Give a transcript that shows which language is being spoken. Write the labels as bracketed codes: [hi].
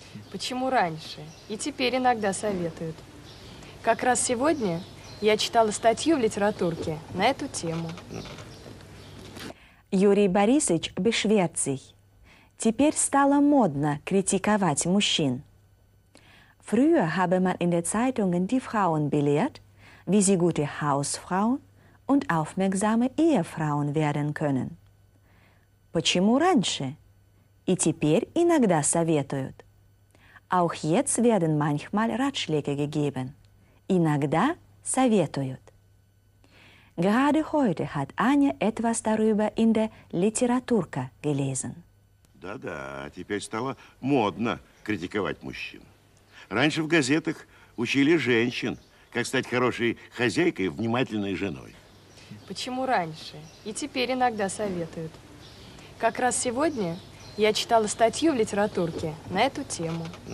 [ru] Почему раньше? И теперь иногда советуют. Как раз сегодня я читала статью в литературке на эту тему. Юрий Борисович [de] beschwert sich. [ru] Теперь стало модно критиковать мужчин. [de] Früher habe man in der Zeitungen die Frauen belehrt, wie sie gute Hausfrauen und aufmerksame Ehefrauen werden können. [ru] Почему раньше? И теперь иногда советуют. [de] Auch jetzt werden manchmal Ratschläge gegeben. [ru] Иногда советуют. [de] Gerade heute hat Anja etwas darüber in der Literaturka gelesen. [ru] Да-да, теперь стало модно критиковать мужчин. Раньше в газетах учили женщин, как стать хорошей хозяйкой и внимательной женой. Почему раньше? И теперь иногда советуют. Как раз сегодня я читала статью в литературке на эту тему.